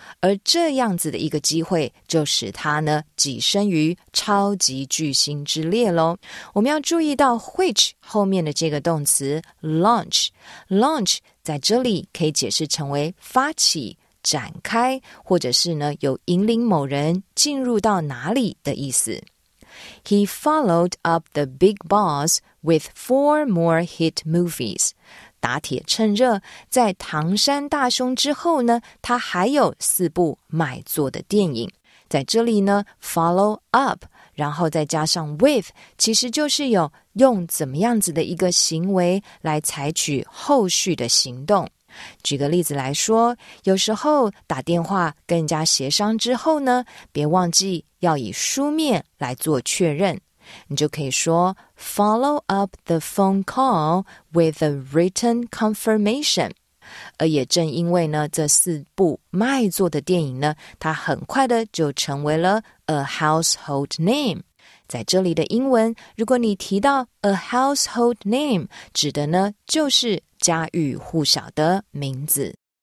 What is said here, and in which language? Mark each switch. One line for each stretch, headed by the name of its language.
Chinese: 而这样子的一个机会就使他呢跻身于超级巨星之列咯。我们要注意到 which 后面的这个动词 launch。 launch 在这里可以解释成为发起、展开，或者是呢有引领某人进入到哪里的意思。
English: He followed up the big boss with four more hit movies.
Chinese: 打铁趁热，在唐山大兄之后呢，他还有四部卖座的电影。在这里呢 follow up, 然后再加上 with, 其实就是有用怎么样子的一个行为来采取后续的行动。举个例子来说，有时候打电话跟人家协商之后呢，别忘记要以书面来做确认。你就可以说
English: follow up the phone call with a written confirmation.
Chinese: 而也正因为呢，这四部卖座的电影呢，它很快的就成为了 a household name. 在这里的英文，如果你提到 a household name, 指的呢，就是家喻户晓的名字。